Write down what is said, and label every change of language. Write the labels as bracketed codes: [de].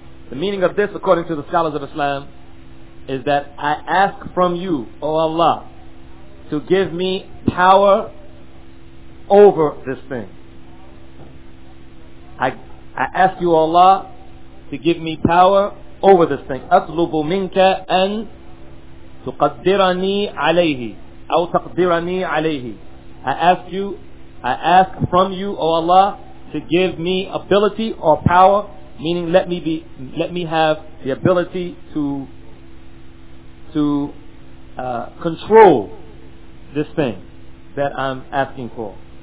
[en] The meaning of this, according to the scholars of Islam, is that I ask from you, O Allah, to give me power over this thing. I ask you, O Allah, to give me power over this thing. [ar] أَطْلُبُ مِنْكَ أَن تُقَدِّرَنِي عَلَيْهِ أَوْ تَقْدِرَنِي عَلَيْهِ. [en] I ask from you, O Allah, to give me ability or power, meaning let me have the ability to control this thing that I'm asking for.